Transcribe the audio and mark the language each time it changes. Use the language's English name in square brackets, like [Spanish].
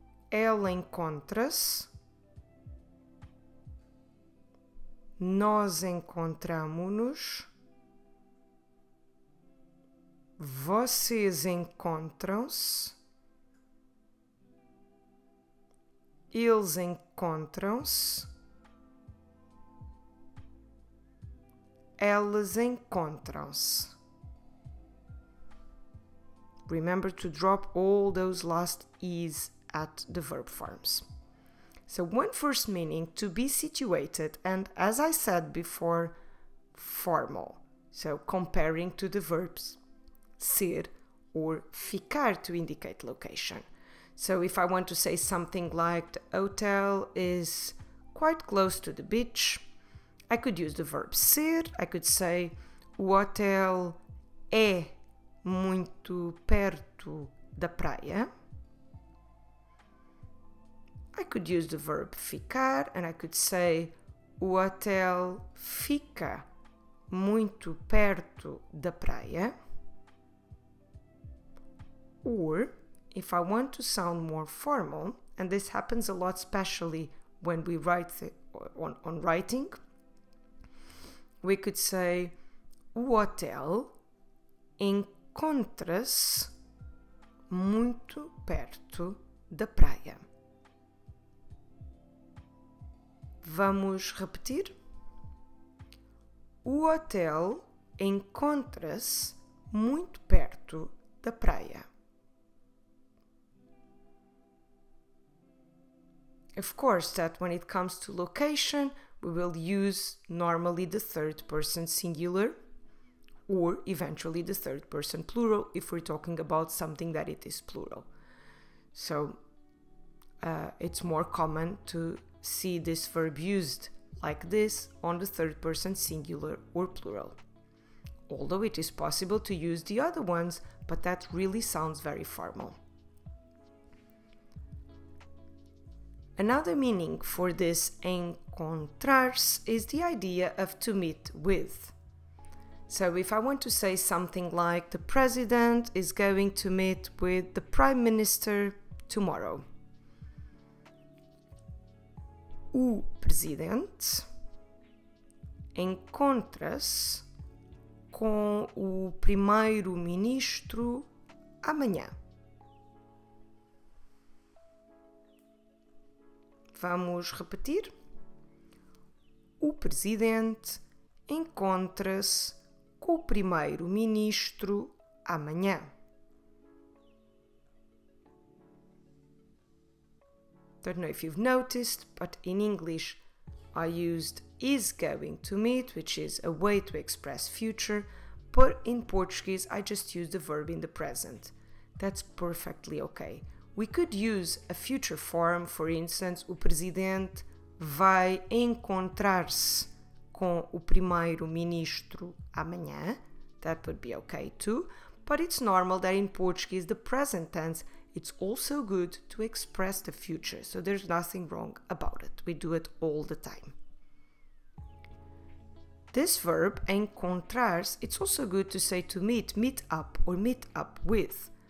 [Portuguese] ela encontra-se, nós encontramo-nos, vocês encontram-se, eles encontram-se, elas encontram-se. [English] Remember to drop all those last E's at the verb forms. So one first meaning, to be situated, and as I said before, formal. So comparing to the verbs ser or ficar to indicate location. So if I want to say something like the hotel is quite close to the beach, I could use the verb ser. I could say [Portuguese] o hotel é muito perto da praia. [English] I could use the verb ficar and I could say [Portuguese] o hotel fica muito perto da praia. [English] Or if I want to sound more formal, and this happens a lot especially when we write on writing, we could say [Portuguese] o hotel encontra-se muito perto da praia. Vamos repetir. O hotel encontra-se muito perto da praia. [English] Of course, that when it comes to location, we will use normally the third person singular or eventually the third person plural if we're talking about something that it is plural. So it's more common to see this verb used like this on the third person singular or plural. Although it is possible to use the other ones, but that really sounds very formal. Another meaning for this encontrar-se is the idea of to meet with. So if I want to say something like the president is going to meet with the prime minister tomorrow. [Portuguese] O presidente encontra-se com o primeiro-ministro amanhã. Vamos repetir. O presidente encontra-se com o primeiro-ministro amanhã. [English] I don't know if you've noticed, but in English I used is going to meet, which is a way to express future, but in Portuguese I just use the verb in the present. That's perfectly okay. We could use a future form, for instance, [Portuguese] o presidente vai encontrar-se com o primeiro-ministro amanhã. [English] That would be okay too, but it's normal that in Portuguese the present tense, it's also good to express the future, so there's nothing wrong about it. We do it all the time. This verb, encontrar-se, it's also good to say to meet, meet up, or meet up with.